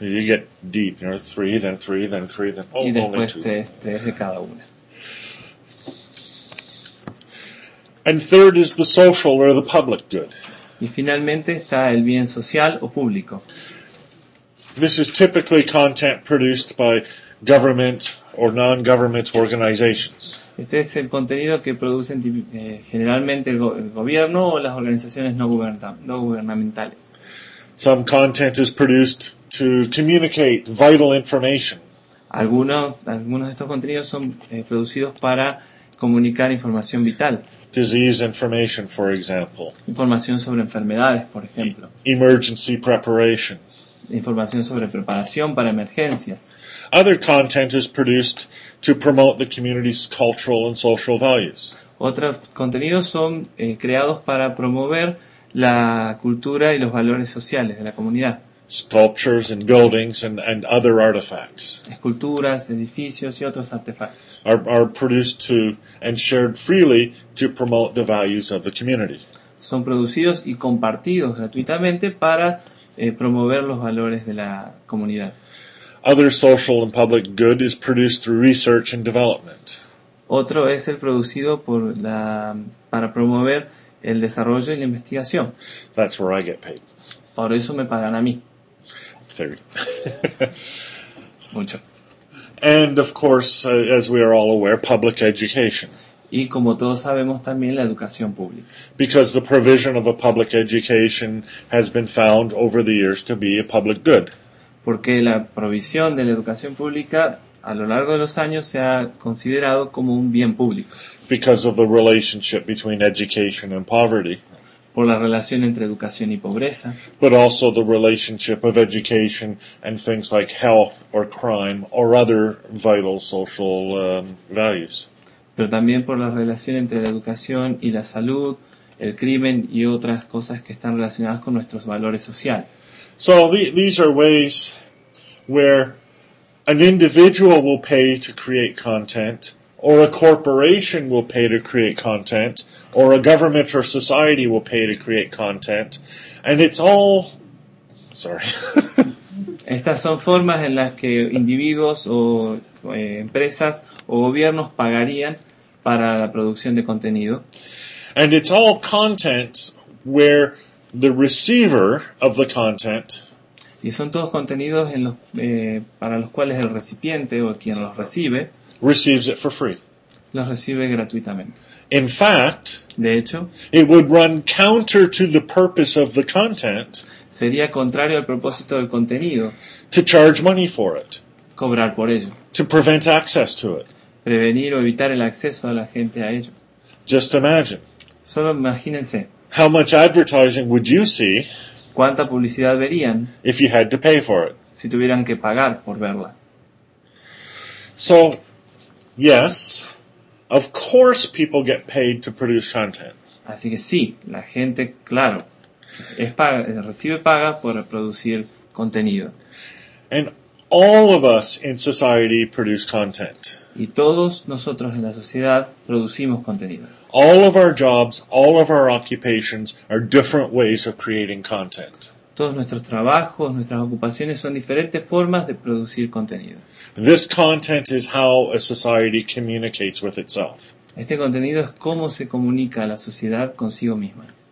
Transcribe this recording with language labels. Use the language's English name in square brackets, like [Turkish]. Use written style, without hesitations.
[English] You get deep, you know, three, then three, then three, then only two. [Spanish] Y después tres, tres de cada una. [English] And third is the social or the public good. [Spanish] Y finalmente está el bien social o público. [English] This is typically content produced by government or non-government organizations. [Spanish] Este es el contenido que producen generalmente el gobierno o las organizaciones no gubernamentales. [English] Some content is produced to communicate vital information. [Spanish] Algunos de estos contenidos son producidos para comunicar información vital. [English] Disease information, for example. [Spanish] Información sobre enfermedades, por ejemplo. [English] Emergency preparation. [Spanish] Información sobre preparación para emergencias. [English] Other content is produced to promote the community's cultural and social values. [Spanish] Otros contenidos son creados para promover la cultura y los valores sociales de la comunidad. [English] Sculptures and buildings and other artifacts. [Spanish] Esculturas, edificios y otros artefactos. [English] Are produced to and shared freely to promote the values of the community. [Spanish] Son producidos y compartidos gratuitamente para promover los valores de la comunidad. [English] Other social and public good is produced through research and development. [Spanish] Otro es el producido por la para promover el desarrollo y la investigación. [English] That's where I get paid. [Spanish] Por eso me pagan a mí. [English] Theory. [Spanish] Mucho. [English] And of course, as we are all aware, public education. [Spanish] Y como todos sabemos también la educación pública. [English] Because the provision of a public education has been found over the years to be a public good. [Spanish] Porque la provisión de la educación pública a lo largo de los años se ha considerado como un bien público. [English] Because of the relationship between education and poverty. [Spanish] Por la relación entre educación y pobreza. [English] But also the relationship of education and things like health or crime or other vital social values. [Spanish] Pero también por la relación entre la educación y la salud, el crimen y otras cosas que están relacionadas con nuestros valores sociales. [English] So these are ways where an individual will pay to create content, or a corporation will pay to create content, or a government or society will pay to create content, and it's all... Sorry. [Spanish] Estas son formas en las que individuos o empresas o gobiernos pagarían para la producción de contenido. [English] And it's all content where the receiver of the content... [Spanish] Y son todos contenidos en los, para los cuales el recipiente o quien los recibe [English] receives it for free. [Spanish] Los recibe gratuitamente. [English] In fact, [Spanish] de hecho, [English] it would run counter to the purpose of the content. [Spanish] Sería contrario al propósito del contenido. [English] To charge money for it. [Spanish] Cobrar por ello. [English] To prevent access to it. [Spanish] Prevenir o evitar el acceso de la gente a ello. [English] Just imagine. [Spanish] Solo imagínense. [English] How much advertising would you see? [Spanish] ¿Cuánta publicidad verían? [English] If you had to pay for it. [Spanish] Si tuvieran que pagar por verla. [English] So, yes, of course people get paid to produce content. [Spanish] Así que sí, la gente, claro, es paga, recibe paga por producir contenido. [English] And all of us in society produce content. [Spanish] Y todos nosotros en la sociedad producimos contenido. [English] All of our jobs, all of our occupations are different ways of creating content. [Spanish] Todos nuestros trabajos, nuestras ocupaciones son diferentes formas de producir contenido. [English] This content is how a society communicates with itself. [Spanish] Este contenido es cómo se comunica la sociedad consigo misma.